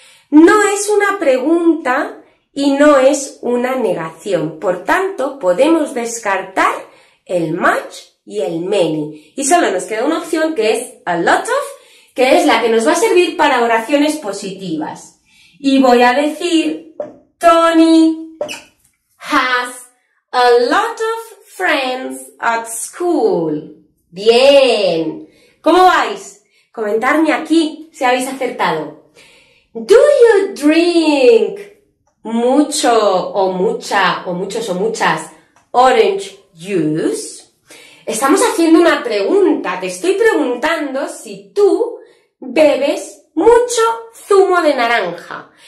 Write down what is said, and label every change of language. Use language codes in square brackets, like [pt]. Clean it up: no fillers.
[es] No es una pregunta y no es una negación. Por tanto, podemos descartar el much y el many. Y solo nos queda una opción que es a lot of, que es la que nos va a servir para oraciones positivas. Y voy a decir, [en] Tony has a lot of friends at school. [es] ¡Bien! ¿Cómo vais? Comentadme aquí si habéis acertado. [en] Do you drink [es] mucho o mucha o muchos o muchas [en] orange juice? [es] Estamos haciendo una pregunta. Te estoy preguntando si tú bebes mucho zumo de naranja.